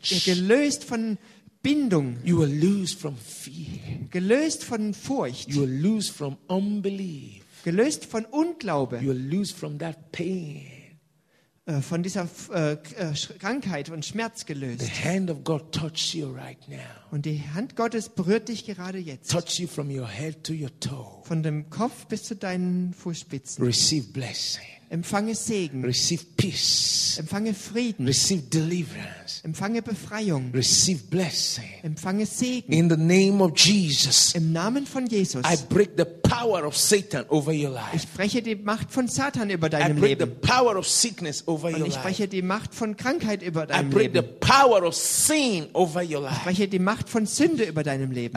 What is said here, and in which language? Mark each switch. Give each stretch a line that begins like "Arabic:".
German: Seid gelöst von Bindung.
English: You are loose from fear.
German: Gelöst von Furcht.
English: You are loose from unbelief.
German: Gelöst von Unglaube.
English: You are loose from that pain.
German: Von dieser Krankheit und Schmerz gelöst.
English: The hand of God touches you right now.
German: Und die Hand Gottes berührt dich gerade jetzt.
English: Touch you from your head to your toe.
German: Von dem Kopf bis zu deinen Fußspitzen.
English: Receive blessing.
German: Empfange Segen.
English: Receive peace.
German: Empfange Frieden.
English: Receive deliverance.
German: Empfange Befreiung.
English: Receive blessing.
German: Empfange Segen.
English: In the name of Jesus.
German: Im Namen von Jesus.
English: I break the power of Satan over your life.
German: Ich spreche die Macht von Satan über deinem Leben.
English: I break the power of sickness over your life.
German: Ich spreche die Macht von Krankheit über deinem Leben.
English: I break the power of sin over your life.
German: Ich spreche die Macht von Sünde über deinem Leben.